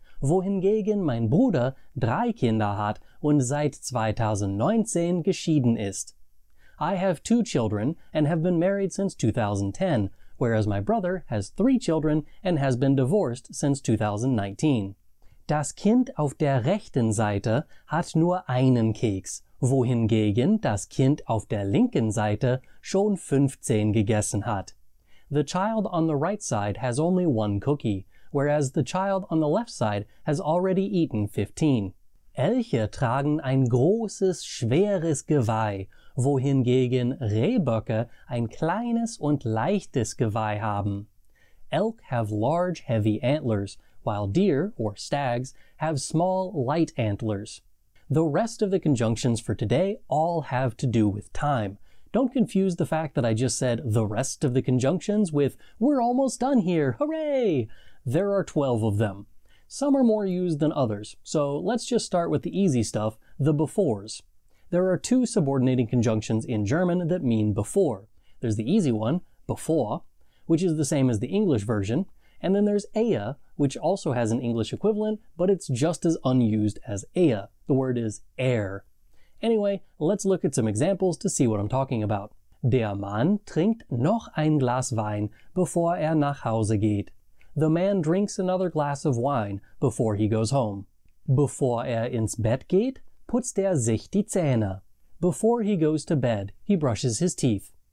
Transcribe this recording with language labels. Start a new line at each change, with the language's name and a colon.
German: Wohingegen mein Bruder 3 Kinder hat und seit 2019 geschieden ist.
English: I have 2 children and have been married since 2010, whereas my brother has 3 children and has been divorced since 2019.
German: Das Kind auf der rechten Seite hat nur 1 Keks, wohingegen das Kind auf der linken Seite schon 15 gegessen hat.
English: The child on the right side has only 1 cookie. Whereas the child on the left side has already eaten 15.
German: Elche tragen ein großes, schweres Geweih, wohingegen Rehböcke ein kleines und leichtes Geweih haben.
English: Elk have large, heavy antlers, while deer, or stags, have small, light antlers. The rest of the conjunctions for today all have to do with time. Don't confuse the fact that I just said the rest of the conjunctions with "we're almost done here, hooray!" There are 12 of them. Some are more used than others, so let's just start with the easy stuff, the befores. There are 2 subordinating conjunctions in German that mean before. There's the easy one, bevor, which is the same as the English version, and then there's ehe, which also has an English equivalent, but it's just as unused as ehe. The word is er. Anyway, let's look at some examples to see what I'm talking about.
German: Der Mann trinkt noch ein Glas Wein, bevor nach Hause geht.
English: The man drinks another glass of wine before he goes home.
German: Bevor ins Bett geht, putzt sich die Zähne.
English: Before he goes to bed, he brushes his teeth.